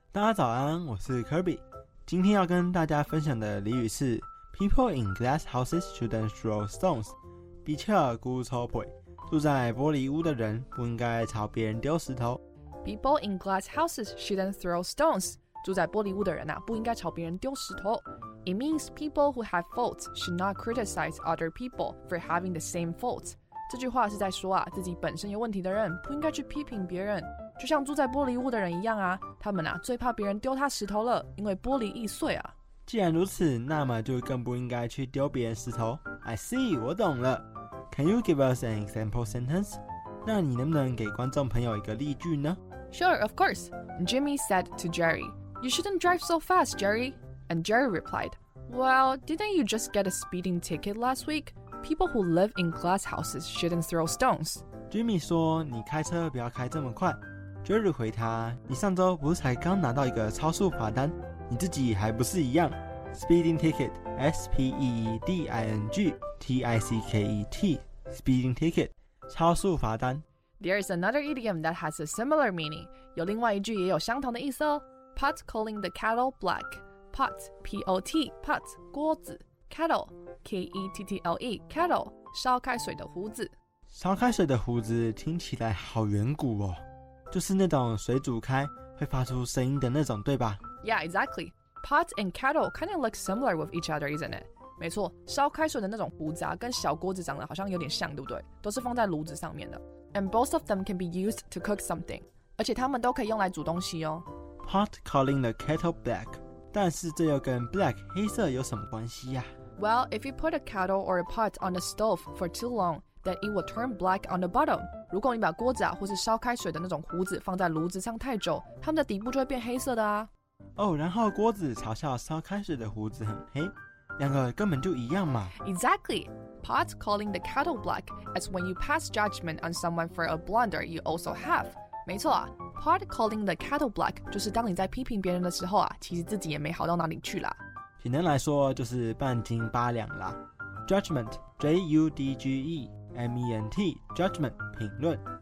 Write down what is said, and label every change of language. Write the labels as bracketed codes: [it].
[zh] 大家早安，我是 Kirby。今天要跟大家分享的俚语是 ： [en] People in glass houses shouldn't throw stones。 [zh] 比笑骨粗皮，住在玻璃屋的人不应该朝别人丢石头。 [en] People in glass houses shouldn't throw stones。 [zh] 住在玻璃屋的人啊，不应该朝别人丢石头。 [en] It means people who have faults should not criticize other people for having the same faults。 [zh] 这句话是在说啊，自己本身有问题的人不应该去批评别人。就像住在玻璃屋的人一样啊，他们啊最怕别人丢他石头了，因为玻璃易碎啊。既然如此，那么就更不应该去丢别人石头。 [en] I see， [zh] 我懂了。 [en] Can you give us an example sentence？ [zh] 那你能不能给观众朋友一个例句呢 [en] ？Sure， of course。 Jimmy said to Jerry。 You shouldn't drive so fast, Jerry. And Jerry replied, Well, didn't you just get a speeding ticket last week? People who live in glass houses shouldn't throw stones. [zh] Jimmy 说你开车不要开这么快。Jerry 回他，你上周不是才刚拿到一个超速罚单？你自己还不是一样 ？ [en] Speeding ticket, SPEEDING TICKET, speeding ticket, [zh] 超速罚单。 [en] There is another idiom that has a similar meaning. [zh] 有另外一句也有相同的意思哦。 [en] Pot calling the kettle black. Pot, P-O-T, pot, 锅子 Kettle, K-E-T-T-L-E, kettle, [zh] 烧开水的壶子。烧开水的壶子听起来好远古哦，就是那种水煮开会发出声音的那种，对吧？ [en] Yeah, exactly. Pot and kettle kind of look similar with each other, isn't it? [zh] 没错，烧开水的那种壶子啊，跟小锅子长得好像有点像，对不对？都是放在炉子上面的。 [en] And both of them can be used to cook something. [zh] 而且它们都可以用来煮东西哦。 [en] Pot calling the kettle black. [zh] 但是这又跟 black 黑色有什么关系呀、啊、 [en] ？Well, if you put a kettle or a pot on the stove for too long, then it will turn black on the bottom. [zh] 如果你把锅子啊，或是烧开水的那种壶子放在炉子上太久，它们的底部就会变黑色的啊。哦、 [en] oh, [zh] ，然后锅子嘲笑烧开水的壶子很黑，两个根本就一样嘛。 [en] Exactly. Pot calling the kettle black as when you pass judgment on someone for a blunder you also have. [zh] 没错啊。 [en] Pot calling the kettle black [zh] 就是当你在批评别人的时候啊，其实自己也没好到哪里去啦。简单来说就是半斤八两啦。 [en] Judgment, J-U-D-G-E, M-E-N-T, judgment, [zh] 评论。